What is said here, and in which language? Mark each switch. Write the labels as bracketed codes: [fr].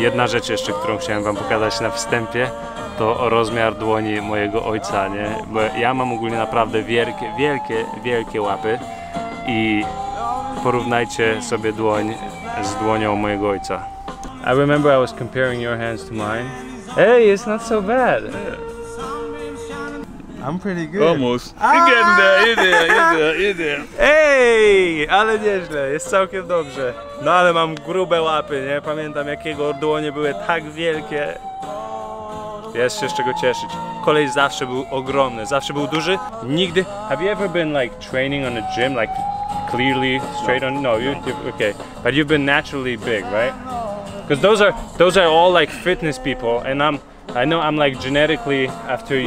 [pl] Jedna rzecz jeszcze, którą chciałem wam pokazać na wstępie, to rozmiar dłoni mojego ojca, nie? Bo ja mam ogólnie naprawdę wielkie łapy i porównajcie sobie dłoń z dłonią mojego ojca. [en] I remember I was comparing your hands to mine. Hey, it's not so bad. I'm pretty good. Almost. You're getting there, you're there. [pl] Hey, ale nieźle, jest całkiem dobrze. No ale mam grube łapy, nie? Pamiętam, jakiego dłonie były tak wielkie. Jest się z czego cieszyć. Kolej zawsze był ogromny, zawsze był duży. Nigdy... [en] Have you ever been like training on a gym? Like clearly straight on? No, okay. But you've been naturally big, right? Because those are all like fitness people, and I know I'm like genetically after you,